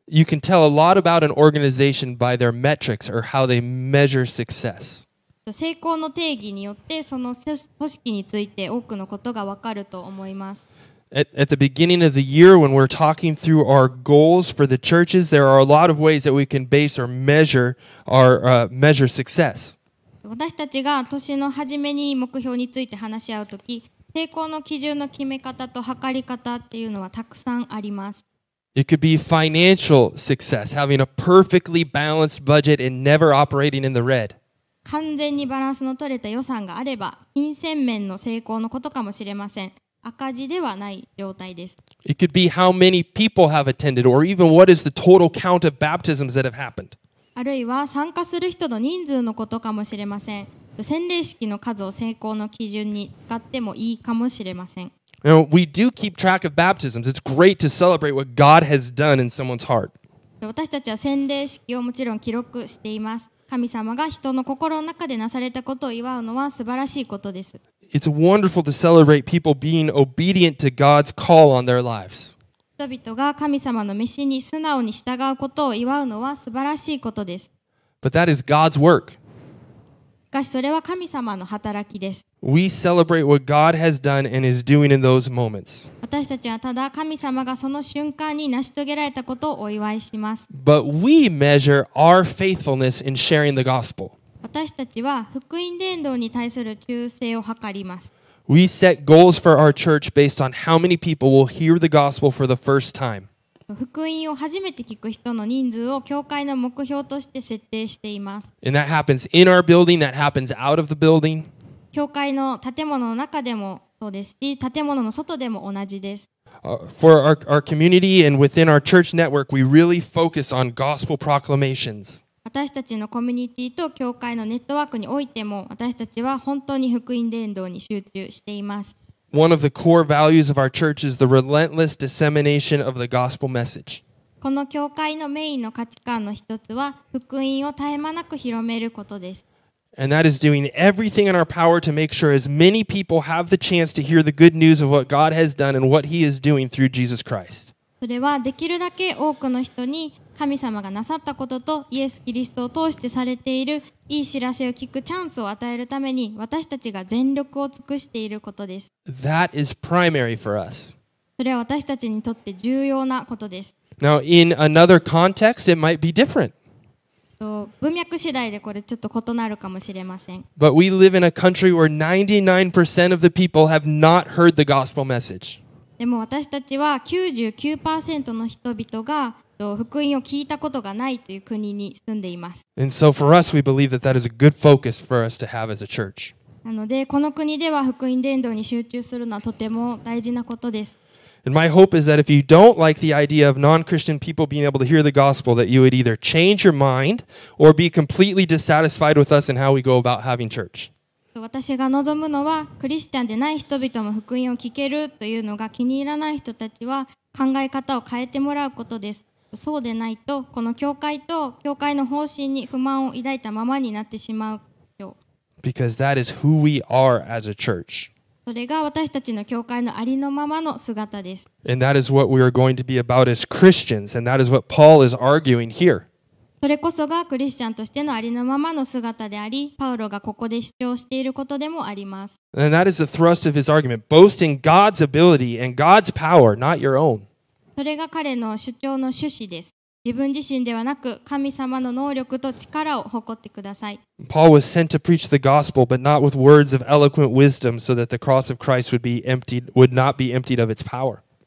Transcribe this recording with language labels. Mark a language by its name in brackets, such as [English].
[English] You can tell a lot about an organization by their metrics or how they measure success. [Japanese] 成功の定義によってその組織について多くのことがわかると思います。 [English] At the beginning of the year when we're talking through our goals for the churches, there are a lot of ways that we can base or measure our measure success. [Japanese] 私たちが年の初めに目標について話し合うとき、成功の基準の決め方と測り方っていうのはたくさんあります。 [English] It could be financial success, having a perfectly balanced budget and never operating in the red. [Japanese] 完全にバランスの取れた予算があれば、金銭面の成功のことかもしれません。赤字ではない状態です。 [English] It could be how many people have attended, or even what is the total count of baptisms that have happened. [Japanese] あるいは参加する人の人数のことかもしれません。洗礼式の数を成功の基準に使ってもいいかもしれません。 [English] Now, we do keep track of baptisms. It's great to celebrate what God has done in someone's heart. [Japanese] 私たちは洗礼式をもちろん記録しています。神様が人の心の中でなされたことを祝うのは素晴らしいことです。 [English] It's wonderful to celebrate people being obedient to God's call on their lives. [Japanese] 人々が神様の召しに素直に従うことを祝うのは素晴らしいことです。 [English] But that is God's work. [Japanese] しかしそれは神様の働きです。 [English] We celebrate what God has done and is doing in those moments. [Japanese] 私たちはただ神様がその瞬間に成し遂げられたことをお祝いします。 [English] But we measure our faithfulness in sharing the gospel. [Japanese] 私たちは福音伝道に対する忠誠を図ります。 [English] We set goals for our church based on how many people will hear the gospel for the first time. [Japanese] 福音を初めて聞く人の人数を教会の目標として設定しています。 [English] And that happens in our building, that happens out of the building. [Japanese] 教会の建物の中でもそうですし、建物の外でも同じです。 [English] for our community and within our church network, we really focus on gospel proclamations. [Japanese] 私たちのコミュニティと教会のネットワークにおいても、私たちは本当に福音伝道に集中しています。 [English] One of the core values of our church is the relentless dissemination of the gospel message. [Japanese] この教会のメインの価値観の一つは、福音を絶え間なく広めることです。 [English] And that is doing everything in our power to make sure as many people have the chance to hear the good news of what God has done and what He is doing through Jesus Christ. [Japanese] それはできるだけ多くの人に神様がなさったこととイエス・キリストを通してされているいい知らせを聞くチャンスを与えるために私たちが全力を尽くしていることです。 [English] That is primary for us. [Japanese] それは私たちにとって重要なことです。 [English] Now, in another context, it might be different. [Japanese] 文脈次第でこれちょっと異なるかもしれません。 [English] But we live in a country where 99% of the people have not heard the gospel message. [Japanese] でも私たちは 99% の人々が福音を聞いたことがないという国に住んでいます。 [English] And so for us, we believe that that is a good focus for us to have as a church. [Japanese] なので、この国では福音伝道に集中するのはとても大事なことです。 [English] And my hope is that if you don't like the idea of non-Christian people being able to hear the gospel, that you would either change your mind or be completely dissatisfied with us and how we go about having church. [Japanese] 私が望むのはクリスチャンでない人々も福音を聞けるというのが気に入らない人たちは考え方を変えてもらうことです。そうでないとこの教会と教会の方針に不満を抱いたままになってしまうよ。 [English] Because that is who we are as a church. [Japanese] それが私たちの教会のありのままの姿です。 [English] And that is what we are going to be about as Christians, and that is what Paul is arguing here. [Japanese] それこそがクリスチャンとしてのありのままの姿であり、パウロがここで主張していることでもあります。 [English] And that is the thrust of his argument, boasting God's ability and God's power, not your own. [Japanese] それが彼の主張の趣旨です。自分自身ではなく、神様の能力と力を誇ってください。 [English] Paul was sent to preach the gospel, but not with words of eloquent wisdom, so that the cross of Christ would not be emptied of its power.